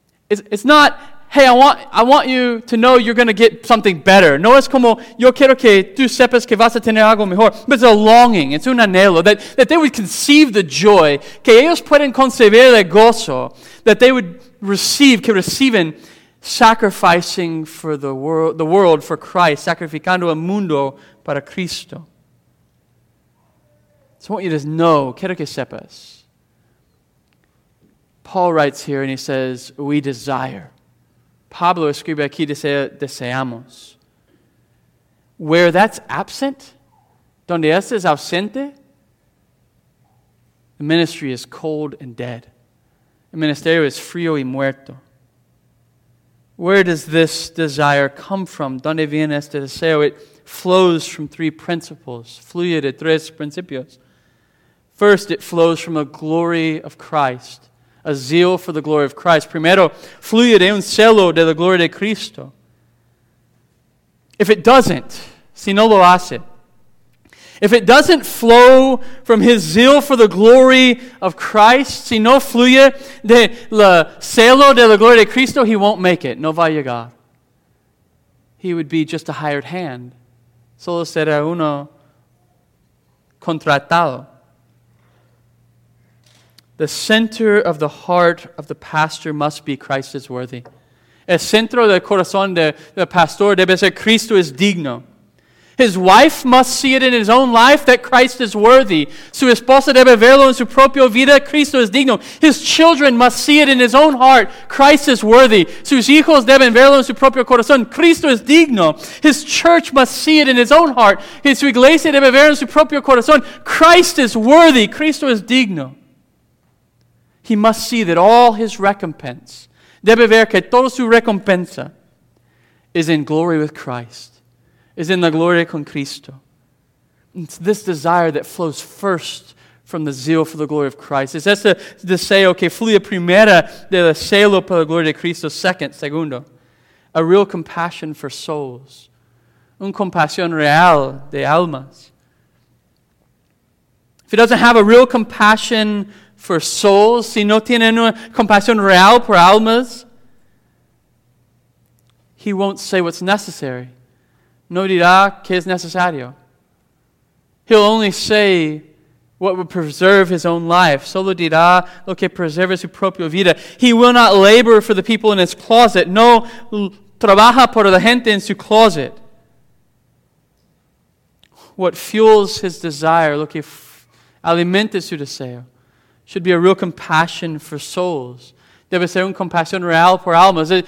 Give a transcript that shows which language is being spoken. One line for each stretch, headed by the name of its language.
English: It's not, hey, I want you to know you're going to get something better.
Spanish: No es como, yo quiero que tú sepas que vas a tener algo mejor.
English: But it's a longing, it's
Spanish: un anhelo,
English: that they would conceive the joy,
Spanish: que ellos pueden concebir el gozo,
English: that they would receive,
Spanish: que reciben,
English: sacrificing for the world for Christ,
Spanish: sacrificando el mundo para Cristo.
English: So I want you to know,
Spanish: quiero que sepas.
English: Paul writes here and he says, we desire.
Spanish: Pablo escribe aquí, deseamos.
English: Where that's absent,
Spanish: donde este es ausente, the ministry is cold and dead. El ministerio es frío y muerto.
English: Where does this desire come from?
Spanish: ¿Dónde viene este deseo?
English: It flows from three principles.
Spanish: Fluye de tres principios.
English: First, it flows from a glory of Christ, a zeal for the glory of Christ.
Spanish: Primero, fluye de un celo de la gloria de Cristo.
English: If it doesn't,
Spanish: si no lo hace,
English: if it doesn't flow from his zeal for the glory of Christ,
Spanish: si no fluye de la celo de la gloria de Cristo,
English: he won't make it.
Spanish: No va a llegar.
English: He would be just a hired hand.
Spanish: Solo será uno contratado.
English: The center of the heart of the pastor must be Christ is worthy.
Spanish: El centro del corazón del pastor debe ser Cristo es digno.
English: His wife must see it in his own life that Christ is worthy.
Spanish: Su esposa debe verlo en su propia vida, Cristo es digno.
English: His children must see it in his own heart, Christ is worthy.
Spanish: Sus hijos deben verlo en su propio corazón, Cristo es digno.
English: His church must see it in his own heart.
Spanish: Su iglesia debe verlo en su propio corazón,
English: Christ is worthy,
Spanish: Cristo es digno.
English: He must see that all his recompense,
Spanish: debe ver que toda su recompensa,
English: is in glory with Christ. Is in the
Spanish: gloria con Cristo.
English: It's this desire that flows first from the zeal for the glory of Christ.
Spanish: Es esto de
English: say, okay,
Spanish: fluye primera del celo por la gloria de Cristo, second, segundo.
English: A real compassion for souls.
Spanish: Un compasión real de almas.
English: If he doesn't have a real compassion for souls,
Spanish: si no tiene una compasión real por almas,
English: he won't say what's necessary.
Spanish: No dirá que es necesario.
English: He'll only say what would preserve his own life.
Spanish: Solo dirá lo que preserve su propia vida.
English: He will not labor for the people in his closet.
Spanish: No trabaja por la gente en su closet.
English: What fuels his desire,
Spanish: lo que alimenta su deseo,
English: should be a real compassion for souls.
Spanish: Debe ser una compasión real por almas.